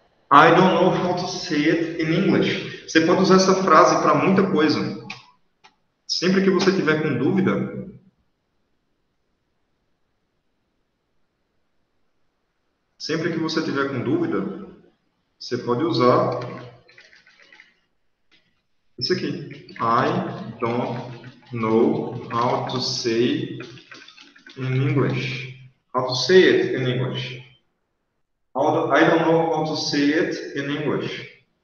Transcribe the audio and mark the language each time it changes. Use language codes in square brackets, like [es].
[en] I don't know how to say it in English. [pt] Você pode usar essa frase para muita coisa. Sempre que você tiver com dúvida. Sempre que você tiver com dúvida, você pode usar isso aqui. [en] I don't know how to say in English. How to say it in English. I don't know how to say it in English.